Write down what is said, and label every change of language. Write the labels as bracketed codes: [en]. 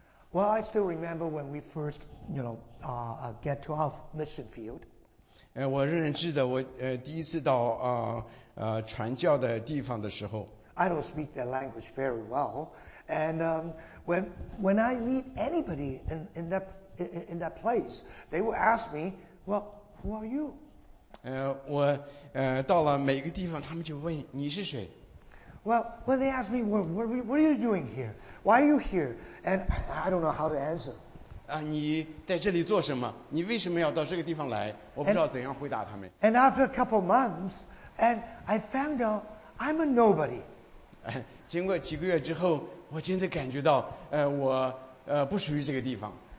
[en] Well, I still remember when we first, you know, get to our mission field. [zh] 我仍然记得我第一次到传教的地方的时候。 [en] I don't speak their language very well, and when I meet anybody in that place, they will ask me, "Well, who are you?" [zh] 我到了每个地方，他们就问你是谁。 [en] Well, when they ask me, what are you doing here? Why are you here? And I don't know how to answer. [zh] 你在这里做什么？你为什么要到这个地方来？我不知道怎样回答他们。 [en] And after a couple of months, and I found out I'm a nobody. [zh] 经过几个月之后，我真的感觉到，我不属于这个地方。